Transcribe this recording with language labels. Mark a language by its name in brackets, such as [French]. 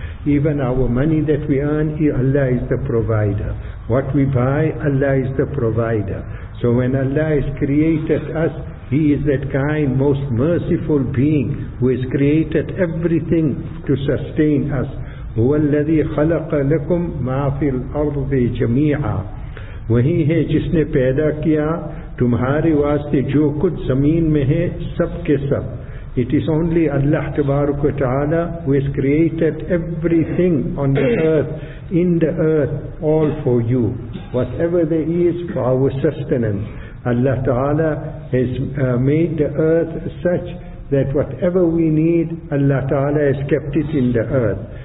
[English] Even our money that we earn, Allah is the provider. What we buy, Allah is the provider. So when Allah has created us, He is that kind, most merciful being who has created everything to sustain us. [Arabic] هُوَ الَّذِي خَلَقَ لَكُمْ مَا فِي الْأَرْضِ جَمِيعًا. [Urdu] وہی ہے جس نے پیدا کیا تمہارے واسطے جو کچھ زمین میں ہے سب کے سب. [English] It is only Allah تبارک و تعالی who has created everything on the earth, in the earth, all for you. Whatever there is for our sustenance, Allah تعالی has made the earth such that whatever we need, Allah تعالی has kept it in the earth.